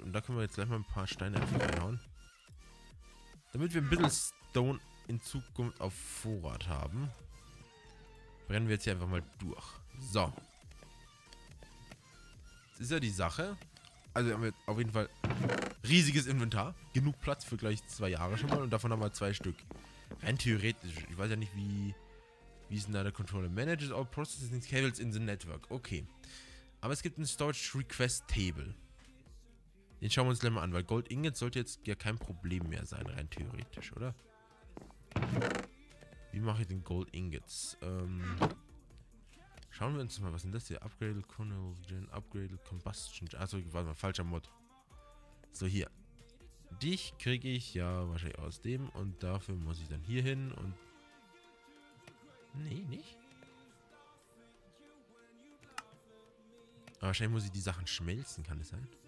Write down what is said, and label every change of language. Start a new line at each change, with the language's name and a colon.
German: Und da können wir jetzt gleich mal ein paar Steine einfach reinhauen. Damit wir ein bisschen Stone in Zukunft auf Vorrat haben, brennen wir jetzt hier einfach mal durch. So. Das ist ja die Sache. Also haben wir auf jeden Fall riesiges Inventar. Genug Platz für gleich 2 Jahre schon mal. Und davon haben wir 2 Stück. Rein theoretisch. Ich weiß ja nicht, wie ist denn da der Controller?
English: Manages all processing cables in the network. Okay.
German: Aber es gibt ein Storage Request Table. Den schauen wir uns gleich mal an, weil Gold Ingot sollte jetzt ja kein Problem mehr sein, rein theoretisch, oder? Wie mache ich denn Gold Ingots? Schauen wir uns mal, was sind das hier?
English: Upgraded Conogen, Upgraded Combustion.
German: Achso, warte mal, falscher Mod. So, hier. Dich kriege ich ja wahrscheinlich aus dem und dafür muss ich dann hier hin und. Nee, nicht. Wahrscheinlich muss ich die Sachen schmelzen, kann das sein?